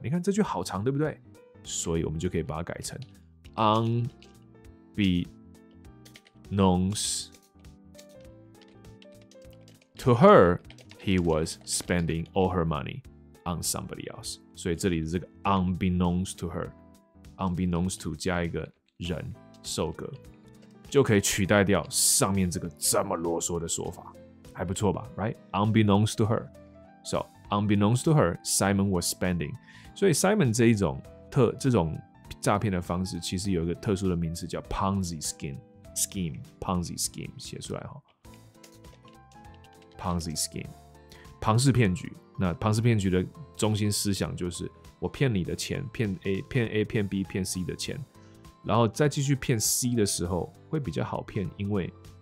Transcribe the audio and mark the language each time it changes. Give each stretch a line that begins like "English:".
Chinese: 你看这句好长，对不对？所以我们就可以把它改成
English: unbeknownst to her, he was spending all her money on somebody else.
Chinese: 所以这里的这个 unbeknownst to her, unbeknownst to 加一个人受格，就可以取代掉上面这个这么啰嗦的说法，还不错吧 ？Right?
English: Unbeknownst to her. So, unbeknownst to her, Simon was spending.
Chinese: 所以 Simon 这种诈骗的方式，其实有一个特殊的名词叫 Ponzi scheme. Ponzi scheme 写出来哈。Ponzi scheme, 庞氏骗局。那庞氏骗局的中心思想就是我骗你的钱，骗A、骗 B、骗 C 的钱，然后再继续骗 C 的时候会比较好骗，因为。